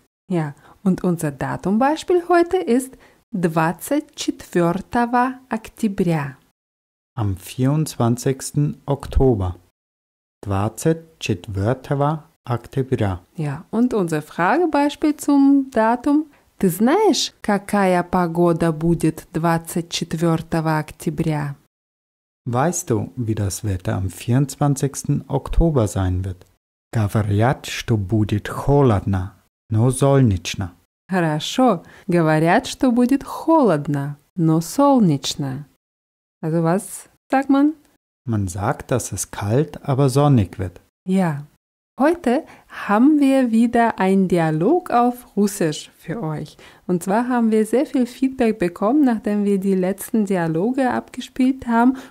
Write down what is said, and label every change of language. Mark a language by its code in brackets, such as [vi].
[de] Ja, und unser Datumbeispiel heute ist 24. [ru] Октября. [de] Am 24. Oktober. [ru] 24. Октября. [de] Ja, und unser Fragebeispiel zum Datum. [ru] Ты знаешь, какая погода будет 24. Октября? [de] Weißt du, wie das Wetter am 24. Oktober sein wird? [ru] Говорят, что будет холодно, но солнечно. Хорошо. Говорят, что будет холодно, но солнечно. [de] Also was sagt man? Man sagt, dass es kalt, aber sonnig wird. Ja. Heute haben wir wieder einen Dialog auf Russisch für euch. Und zwar haben wir sehr viel Feedback bekommen, nachdem wir die letzten Dialoge abgespielt haben.